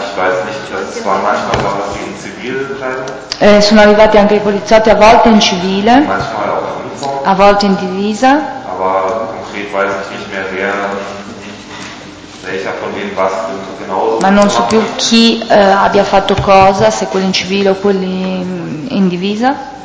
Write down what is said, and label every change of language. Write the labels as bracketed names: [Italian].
[German] Ich weiß nicht, das war manchmal auch was in Zivilkleidung. [Italian] Sono arrivati anche i poliziotti, a volte in civile, [German] manchmal auch in Uniform, [Italian] a volte in divisa. [German] Aber konkret weiß ich nicht mehr, wer welcher von denen was genauso. [Italian] Ma non so più chi abbia fatto cosa, se quelli in civile o quelli in divisa.